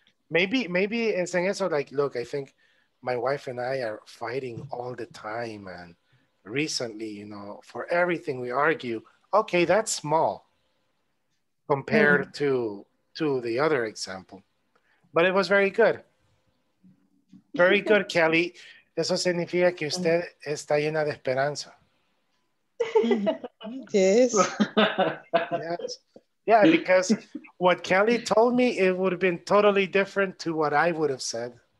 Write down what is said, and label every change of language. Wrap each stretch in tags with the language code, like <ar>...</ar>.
<en>Maybe it's in eso, like, look, I think my wife and I are fighting all the time. And recently, you know, for everything we argue, okay, that's small compared to the other example. But it was very good. Very good, Kelly.</en> <es>Eso significa que usted está llena de esperanza.</es> <en>Yes. Yes. Yeah, because what Kelly told me, it would have been totally different to what I would have said.</en>